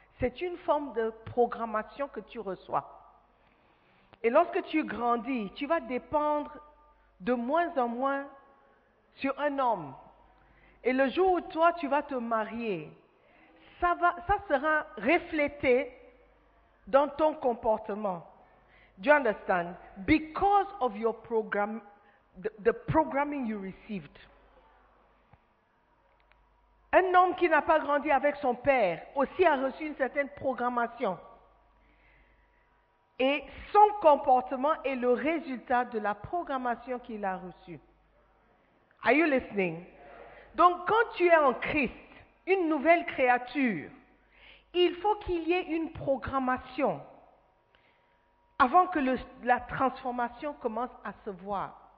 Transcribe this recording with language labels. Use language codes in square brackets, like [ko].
[fr] C'est une forme de programmation que tu reçois. Et lorsque tu grandis, tu vas dépendre de moins en moins sur un homme. Et le jour où toi, tu vas te marier, ça sera reflété dans ton comportement. [en] Do you understand? Because of your program, the programming you received. [fr] Un homme qui n'a pas grandi avec son père aussi a reçu une certaine programmation. Et son comportement est le résultat de la programmation qu'il a reçue. [en] Are you listening? [fr] Donc, quand tu es en Christ, une nouvelle créature, il faut qu'il y ait une programmation avant que la transformation commence à se voir.